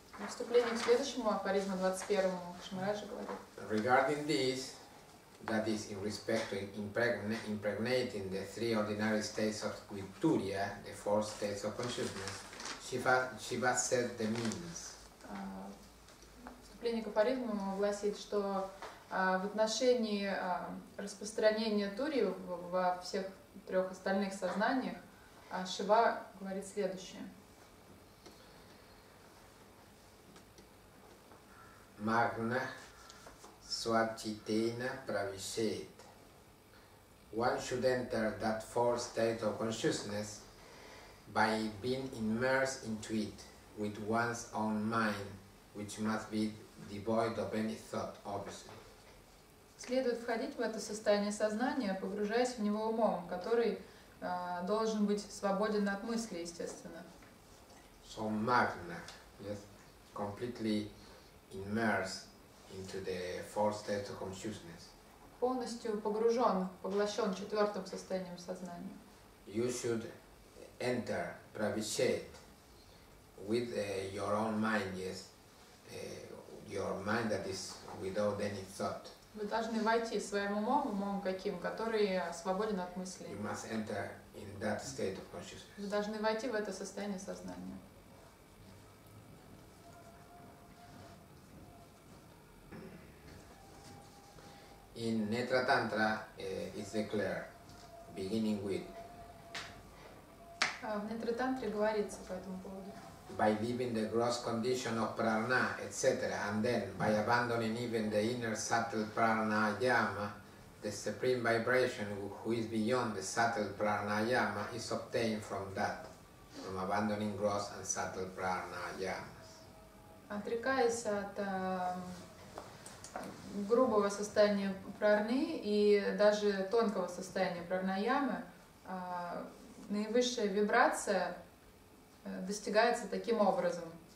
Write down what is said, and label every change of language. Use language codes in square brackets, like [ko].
[ru] вступление к следующему афоризму 21-му Кшемараджа говорит. [en] Regarding this, that is in respect to impregnating the three ordinary states of turiya, the four states of consciousness, Шива said the means. [ru] Вступление к афоризму гласит, что в отношении распространения турии во всех трех остальных сознаниях Шива говорит следующее. [sa] Magna Swachitena Pravishet. [en] One should enter that fourth state of consciousness by being immersed into it with one's own mind, which must be devoid of any thought, obviously. [ru] Следует входить в это состояние сознания, погружаясь в него умом, который должен быть свободен от мысли, естественно. [en] So magna, yes, completely immersed into the fourth state of consciousness. [ru] Полностью погружен, поглощен четвертым состоянием сознания. [en] You should enter pravishet with your own mind, yes, your mind that is without any thought. [ru] Вы должны войти своим умом каким, который свободен от мыслей. [en] You must enter in that state of consciousness. [ru] Вы должны войти в это состояние сознания. [en] In Netra Tantra, it's declared, beginning with. [ru] В Netra Tantra говорится по этому поводу. [en] By leaving the gross condition of prana, etc., and then by abandoning even the inner subtle pranayama, the supreme vibration who is beyond the subtle pranayama is obtained from that, from abandoning gross and subtle pranayamas. [ru] Отрекаясь от грубого состояния прарны и даже тонкого состояния прарнаямы, наивысшая вибрация достигается таким образом.